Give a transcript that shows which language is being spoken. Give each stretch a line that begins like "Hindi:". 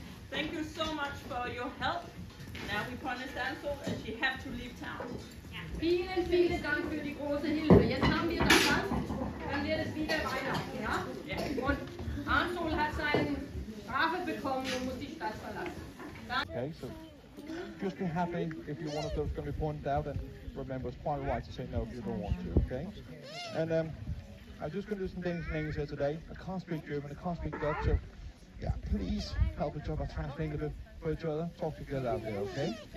English: Thank you so much for your help. Now we punish Ansel and she has to leave town. Yeah.
German: Vielen, vielen Dank für die große Hilfe. Jetzt haben wir das Ganze, dann wird es wieder Weihnachten, ja? Und Arnold hat seine Strafe bekommen und muss die Stadt verlassen.
English: Okay, so. Just be happy if you're one of those going to be pointed out, and remember it's quite right to say no if you don't want to, okay? And I'm just going to do some things in English here today. I can't speak German, I can't speak Dutch, so yeah, please help each other by translating a bit for each other. Talk to each other out there, okay?